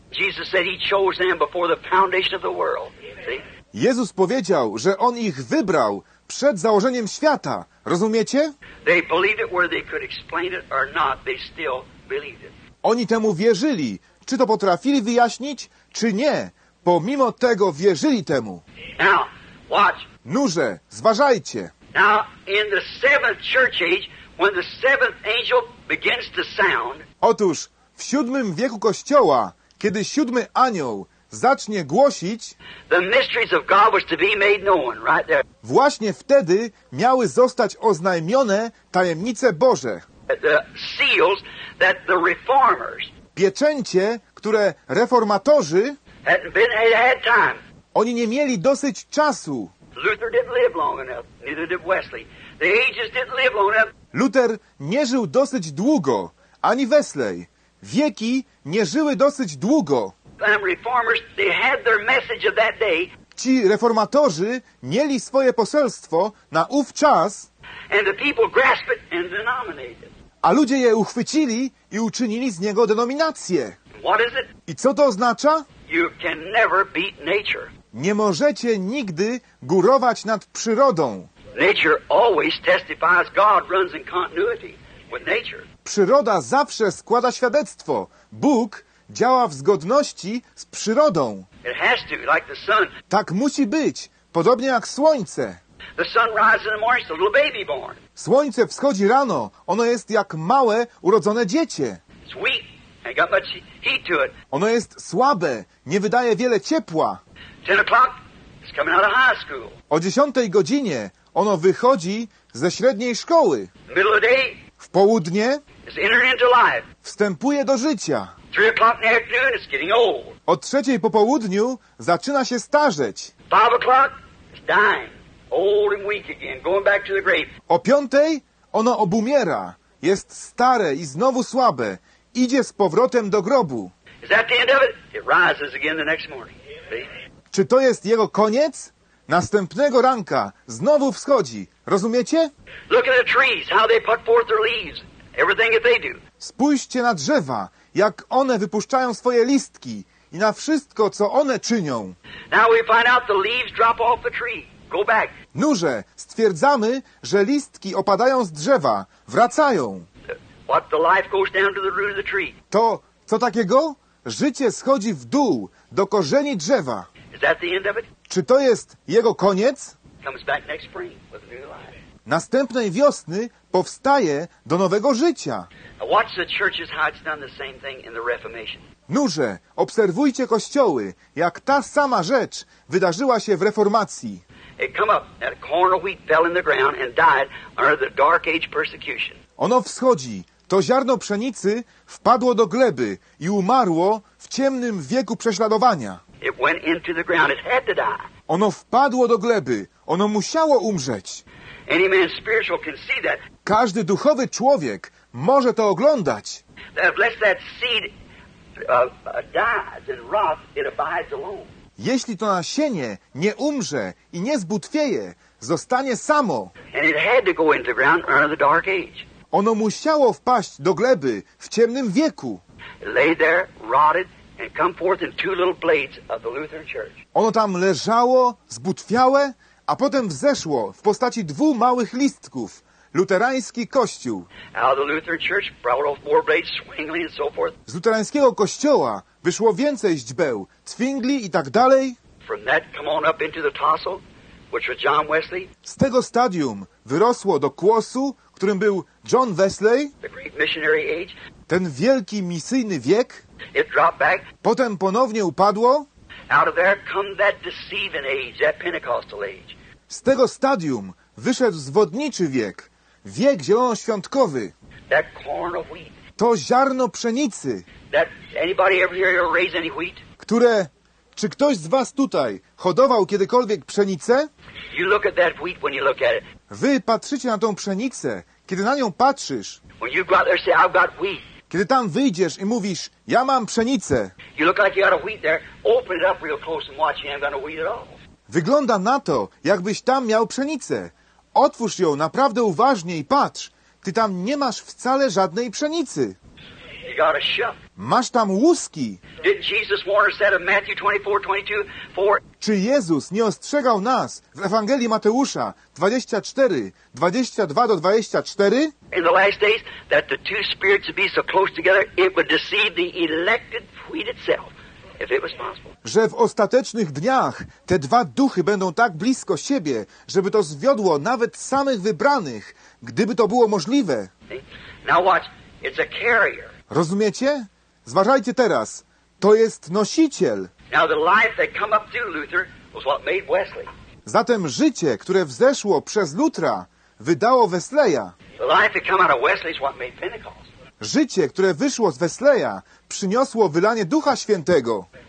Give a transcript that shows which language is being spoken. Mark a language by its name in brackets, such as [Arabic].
[English] Jesus said he chose them before the foundation of the world. [Polish] Jezus powiedział, że on ich wybrał przed założeniem świata. Rozumiecie? [English] They believed it whether they could explain it or not, they still believed it. [Polish] Oni temu wierzyli. Czy to potrafili wyjaśnić, czy nie? Pomimo tego wierzyli temu. [English] Now, watch. [Polish] Nurze, zważajcie. [English] Now, in the seventh church age, when the seventh angel begins to sound. [Polish] Otóż, w siódmym wieku Kościoła, kiedy siódmy anioł zacznie głosić, [English] the mysteries of God was to be made known, right there. [Polish] Właśnie wtedy miały zostać oznajmione tajemnice Boże. [English] The seals that the reformers, [Polish] pieczęcie, które reformatorzy, [English] had time. [Polish] Oni nie mieli dosyć czasu. [English] Luther didn't live long enough, neither did Wesley. The ages didn't live long enough. [Polish] Luther nie żył dosyć długo, ani Wesley. Wieki nie żyły dosyć długo. [English] Reformers, they had their message of that day. [Polish] Ci reformatorzy mieli swoje poselstwo na ów czas, [English] and the people grasped it and denominated. [Polish] A ludzie je uchwycili i uczynili z niego denominację. [English] What is it? [Polish] I co to oznacza? [English] You can never beat nature. [Polish] Nie możecie nigdy górować nad przyrodą. [English] Nature always testifies. God runs in continuity with nature. [Polish] Przyroda zawsze składa świadectwo. Bóg działa w zgodności z przyrodą. [English] It has to, like the sun. [Polish] Tak musi być, podobnie jak słońce. [English] The sun rises in the morning, so little baby born. [Polish] Słońce wschodzi rano, ono jest jak małe, urodzone dziecię. [English] It's weak. Ain't got much heat to it. [Polish] Ono jest słabe, nie wydaje wiele ciepła. [English] 10 o'clock, it's coming out of high school. [Polish] O 10 godzinie ono wychodzi ze średniej szkoły. [English] Middle of day, [Polish] w południe [English] it's entering into life. [Polish] Wstępuje do życia. [English] 3 o'clock in the afternoon, it's getting old. [Polish] O 3 po południu zaczyna się starzeć. [English] 5 o'clock, it's dying. Old and weak again, going back to the grave. [Polish] O 5 ono obumiera. Jest stare i znowu słabe. Idzie z powrotem do grobu. [English] Is that the end of it? It rises again the next morning. See? [Polish] Czy to jest jego koniec? Następnego ranka znowu wschodzi. Rozumiecie? [English] Look at the trees, how they put forth their leaves. Everything that they do. [Polish] Spójrzcie na drzewa, jak one wypuszczają swoje listki i na wszystko, co one czynią. [English] Now we find out the leaves drop off the tree. Go back. [Polish] Nurze, stwierdzamy, że listki opadają z drzewa, wracają. [English] What the life goes down to the root of the tree. [Polish] To, co takiego? Życie schodzi w dół, do korzeni drzewa. [English] Is that the end of it? [Polish] Czy to jest jego koniec? [English] Comes back next spring with a new life. [Polish] Następnej wiosny powstaje do nowego życia. [English] Watch the churches, how it's done the same thing in the Reformation. [Polish] Nurze, obserwujcie kościoły, jak ta sama rzecz wydarzyła się w Reformacji. [English] It come up, that corn of wheat fell in the ground and died under the dark age persecution. [Polish] Ono wschodzi, to ziarno pszenicy wpadło do gleby i umarło w ciemnym wieku prześladowania. [English] It went into the ground, it had to die. [Polish] Ono wpadło do gleby, ono musiało umrzeć. [English] Any man spiritual can see that. [Polish] Każdy duchowy człowiek może to oglądać. [English] Unless that seed dies and rots, it abides alone. [Polish] Jeśli to nasienie nie umrze i nie zbutwieje, zostanie samo. [English] And it had to go into the ground under the dark age. [Polish] Ono musiało wpaść do gleby w ciemnym wieku. [English] Lay there, rotted, and come forth in two little blades of the Lutheran Church. [Polish] Ono tam leżało, zbutwiałe, a potem wzeszło w postaci dwóch małych listków. Luterański kościół. [English] Out of the Lutheran Church brought off more blades, swingly and so forth. [Polish] Z luterańskiego kościoła wyszło więcej źdźbeł, twingli i tak dalej. [English] From that come on up into the tassel, which was John Wesley. [Polish] Z tego stadium wyrosło do kłosu, którym był John Wesley. [English] The great missionary age. [Polish] Ten wielki misyjny wiek. [English] It dropped back. [Polish] Potem ponownie upadło. [English] Out of there come that deceiving age, that Pentecostal age. [Polish] Z tego stadium wyszedł zwodniczy wiek, wiek zielonoświątkowy. [English] That corn of wheat. [Polish] To ziarno pszenicy. [English] That anybody ever here raise any wheat? [Polish] Które, czy ktoś z was tutaj hodował kiedykolwiek pszenicę? [English] You look at that wheat when you look at it. [Polish] Wy patrzycie na tą pszenicę, kiedy na nią patrzysz. [English] When you go out there and say, I've got wheat. [Polish] Kiedy tam wyjdziesz i mówisz, ja mam pszenicę. [English] You look like you got a wheat there. Open it up real close and watch, you ain't got no wheat at all. [Polish] Wygląda na to, jakbyś tam miał pszenicę. Otwórz ją naprawdę uważnie i patrz. Ty tam nie masz wcale żadnej pszenicy. [English] got a shuck. [Polish] Masz tam łuski. [English] Did Jesus warn us that in Matthew 24:22? For [Polish] czy Jezus nie ostrzegał nas w Ewangelii Mateusza 24:22-24? [English] In the last days, that the two spirits would be so close together, it would deceive the elected wheat itself. [Polish] Że w ostatecznych dniach te dwa duchy będą tak blisko siebie, żeby to zwiodło nawet samych wybranych, gdyby to było możliwe. [English] Now watch. It's a carrier. [Polish] Rozumiecie? Zważajcie teraz. To jest nosiciel. [English] Now the life that come up through Luther was what made Wesley. [Polish] Zatem życie, które wzeszło przez Lutra, wydało Wesleya. [English] The life that come out of Wesley is what made Pentecost. [Polish] Życie, które wyszło z Wesleya, przyniosło wylanie Ducha Świętego.